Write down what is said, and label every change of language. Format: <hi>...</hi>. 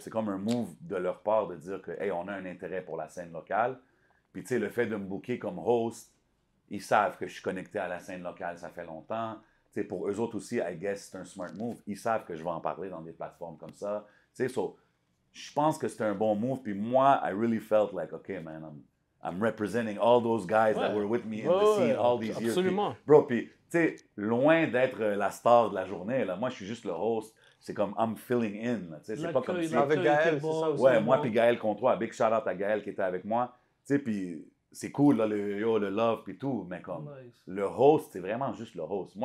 <fr>C'est comme un move de leur part de dire que, hey, on a un intérêt pour la scène locale. Puis, tu sais, le fait de me booker comme host, ils savent que je suis connecté à la scène locale, ça fait longtemps. Tu sais, pour eux autres aussi,</fr> <en>I guess,</en> <fr>c'est un smart move. Ils savent que je vais en parler dans des plateformes comme ça. Tu sais, so, je pense que c'était un bon move. Puis moi,</fr> <en>I really felt like, okay, man, I'm representing all those guys that were with me in the scene all these years.</en> <fr>Absolument. Puis, bro, puis, tu sais, loin d'être la star de la journée, là, moi, je suis juste le host. C'est comme,</fr> <en>I'm filling in.</en> <fr>Tu sais, c'est pas comme si... Avec Gaël, c'est ça, ouais, moi, puis Gaël contre toi. Big shout-out à Gaël qui était avec moi. Tu sais, puis... C'est cool, là, le love puis tout, mais comme le host, c'est vraiment juste le host.</fr>